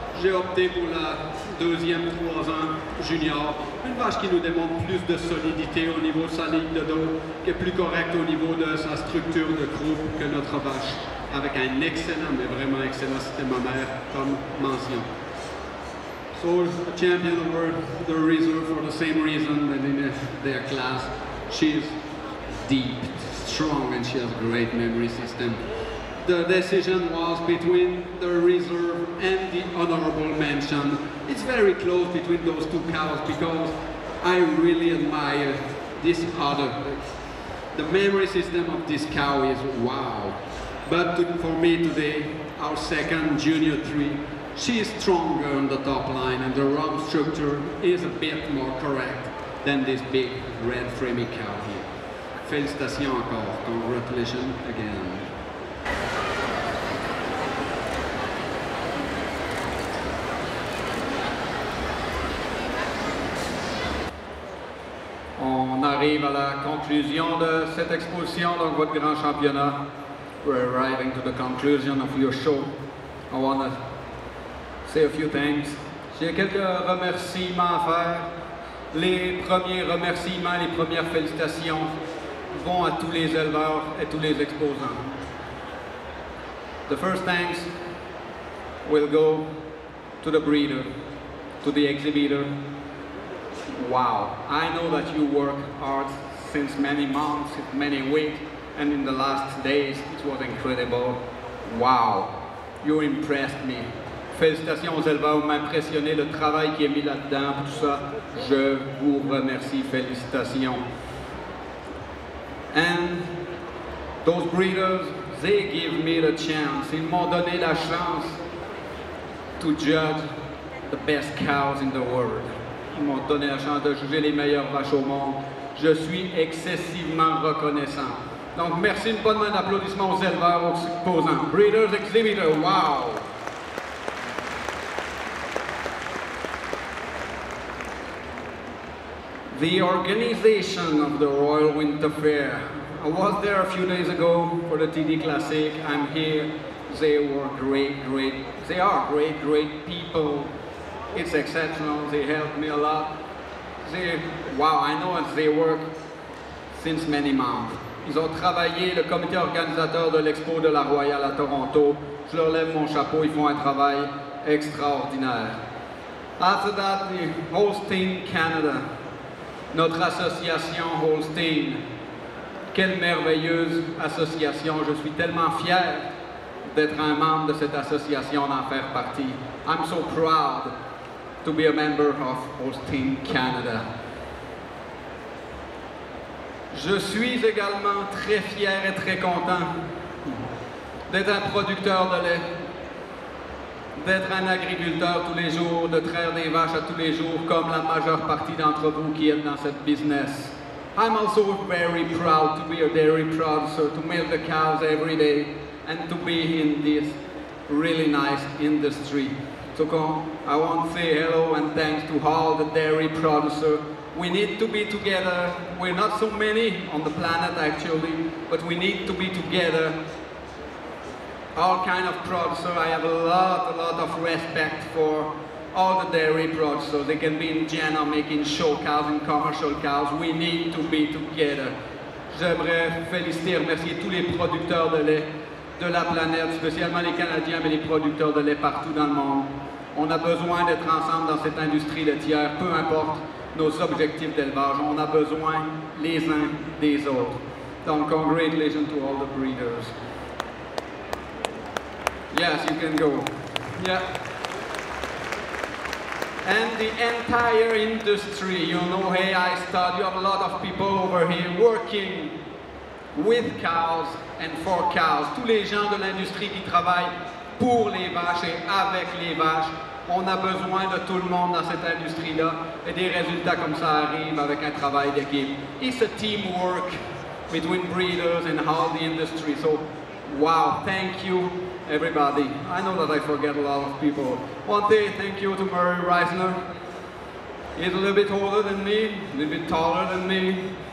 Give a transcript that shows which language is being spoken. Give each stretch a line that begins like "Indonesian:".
French: J'ai opté pour la deuxième 3 ans junior, une vache qui nous démontre plus de solidité au niveau de sa ligne de dos, qui est plus correcte au niveau de sa structure de croupe que notre vache, avec un excellent, mais vraiment excellent système mammaire comme mention.
English: So, the champion of the reserve for the same reason than in their class. She's deep, strong, and she has a great memory system. The decision was between the reserve and the honorable mention. It's very close between those 2 cows because I really admire this other. The memory system of this cow is wow. But for me today, our second junior 3, she is stronger on the top line and the rump structure is a bit more correct than this big red framey cow here.
French: Félicitations encore.
English: Congratulations again.
French: On arrive à la conclusion de cette exposition, donc votre grand championnat.
English: We're arriving to the conclusion of your show. I want to say a few things.
French: J'ai quelques remerciements à faire. Les premiers remerciements, les premières félicitations vont à tous les éleveurs et tous les exposants.
English: The first thanks will go to the breeder, to the exhibitor. Wow, I know that you work hard since many months, many weeks, and in the last days it was incredible. Wow, you impressed me.
French: Félicitations aux éleveurs, vous m'impressionnez, le travail qui est mis là-dedans, tout ça. Je vous remercie, félicitations.
English: And those breeders, they give me the chance.
French: Ils m'ont donné la chance
English: to judge the best cows in the world.
French: Ils m'ont donné la chance de juger les meilleures vaches au monde. Je suis excessivement reconnaissant. Donc, merci, une bonne main d'applaudissements aux éleveurs, aux exposants.
English: Breeders, exhibitors, wow! The organization of the Royal Winter Fair. I was there a few days ago for the TD Classic. I'm here. They were great, great. They are great, great people. It's exceptional, they helped me a lot. Wow, I know they work since many months.
French: Ils ont travaillé, le comité organisateur de l'Expo de la Royale à Toronto. Je leur lève mon chapeau, ils font un travail extraordinaire.
English: After that, the Holstein Canada,
French: notre association
English: Holstein.
French: Quelle merveilleuse association. Je suis tellement fier d'être un membre de cette association, d'en faire partie.
English: I'm so proud to be a member of Holstein Canada.
French: Je suis également très fier et très content d'être un producteur de lait, d'être un agriculteur tous les jours, de traire des vaches à tous les jours, comme la majeure partie d'entre vous qui êtes dans cette business.
English: I'm also very proud to be a dairy producer, to milk the cows every day, and to be in this really nice industry. So I want to say hello and thanks to all the dairy producers. We need to be together. We're not so many on the planet, actually, but we need to be together. All kind of producers, I have a lot of respect for all the dairy producers. They can be in general making show cows and commercial cows. We need to be together.
French: J'aimerais féliciter et remercier tous les producteurs de lait de la planète, spécialement les Canadiens, mais les producteurs de lait partout dans le monde. On a besoin d'être ensemble dans cette industrie laitière, peu importe nos objectifs d'élevage. On a besoin les uns des autres. Donc,
English: congratulations to all the breeders. Yes, you can go. Yeah. And the entire industry, you know, hey, I start, you have a lot of people over here working with cows and for cows.
French: Tous les gens de l'industrie qui travaillent pour les vaches et avec les vaches, on a besoin de tout le monde dans cette industrie-là. Et des résultats comme ça arrivent avec un travail d'équipe.
English: It's a teamwork between breeders and all the industry. So, wow, thank you. Everybody, I know that I forget a lot of people. One day, thank you to Murray Reisner. He's a little bit older than me, a little bit taller than me.